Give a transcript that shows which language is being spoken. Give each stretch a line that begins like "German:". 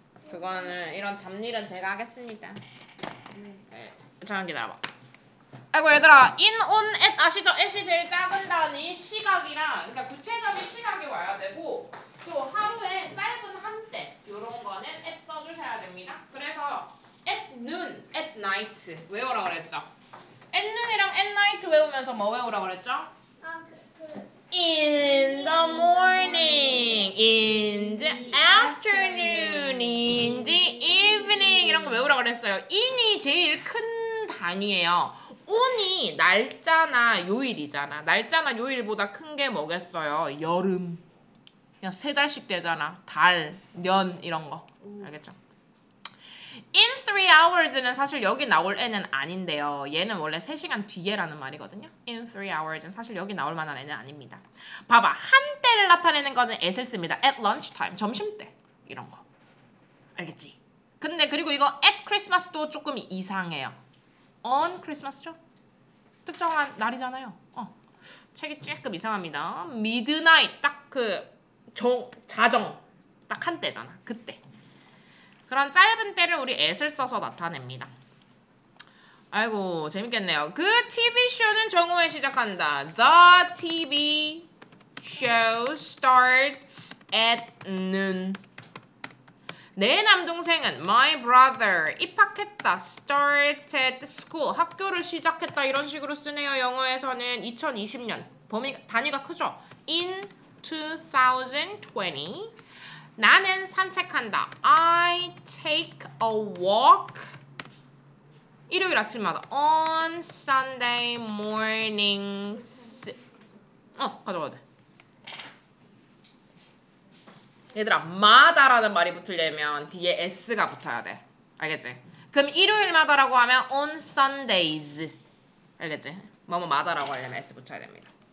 Korean: 그거는 이런 잡일은 제가 하겠습니다. 네. 잠깐 기다려봐. 아이고 얘들아
English: in, on, at
Korean: 아시죠? at이 제일 작은 단위 시각이랑 그러니까 구체적인 시각이 와야 되고 또 하루에 짧은 한때 이런 거는 at 써주셔야 됩니다. 그래서
English: at noon, at night
Korean: 외우라고 그랬죠?
English: at noon이랑 at night
Korean: 외우면서 뭐 외우라고 그랬죠?
English: In the morning, in the afternoon, in the evening
Korean: 이런 거 외우라고 그랬어요. in이 제일 큰 단위예요. on이 날짜나 요일이잖아. 날짜나 요일보다 큰 게 뭐겠어요? 여름. 그냥 세 달씩 되잖아. 달, 년 이런 거. 알겠죠?
English: In 3 hours는
Korean: 사실 여기 나올 애는 아닌데요. 얘는 원래 3시간 뒤에라는 말이거든요.
English: In 3 hours은
Korean: 사실 여기 나올 만한 애는 아닙니다. 봐봐. 한때를 나타내는 거는 at을 씁니다.
English: At lunch time.
Korean: 점심때. 이런 거. 알겠지? 근데 그리고 이거
English: at Christmas도
Korean: 조금 이상해요.
English: On Christmas죠?
Korean: 특정한 날이잖아요. 책이 조금 이상합니다. Midnight. 딱 그 자정. 딱 한때잖아. 그때. 그런 짧은 때를 우리 at을 써서 나타냅니다. 아이고 재밌겠네요. 그 TV 쇼는 정오에 시작한다.
English: The TV show starts at noon.
Korean: 내 남동생은
English: my brother
Korean: 입학했다.
English: Started school
Korean: 학교를 시작했다. 이런 식으로 쓰네요. 영어에서는 2020년 범위 단위가 크죠.
English: In 2020
Korean: 나는 산책한다.
English: I take a walk
Korean: 일요일 아침마다.
English: On Sunday mornings
Korean: 가져가야 돼. 얘들아 마다라는 말이 붙으려면 뒤에 S가 붙어야 돼. 알겠지? 그럼 일요일마다라고 하면
English: On Sundays
Korean: 알겠지? 뭐뭐 마다라고 하려면 S 붙여야 됩니다.